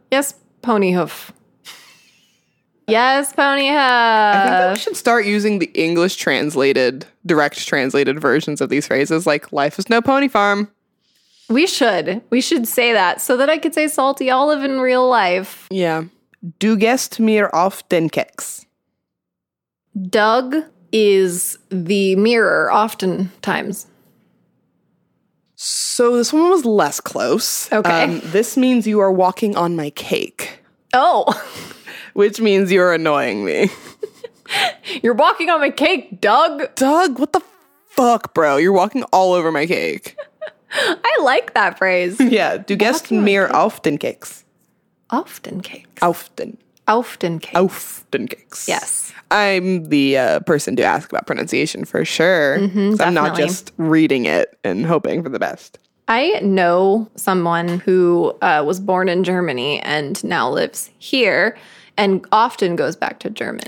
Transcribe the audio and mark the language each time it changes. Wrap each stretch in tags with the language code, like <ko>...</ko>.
<en>Yes, pony hoof. Yes, pony hoof. I think that we should start using the English translated, direct translated versions of these phrases, like life is no pony farm. We should. We should say that so that I could say salty olive in real life. Yeah.</en> <de>Du gehst mir auf den Keks.</de> <en>Doug is the mirror oftentimes. So this one was less close. Okay. This means you are walking on my cake. Oh. Which means you're annoying me. You're walking on my cake, Doug. Doug, what the fuck, bro? You're walking all over my cake. I like that phrase. Yeah.</en> <de>Du gehst mir auf den Keks. Auf den Keks. Auf den. Auf den Keks. Auf den Keks.</de> <en>Yes. I'm the person to ask about pronunciation for sure. Mm-hmm, I'm not just reading it and hoping for the best. I know someone who was born in Germany and now lives here and often goes back to Germany.</en>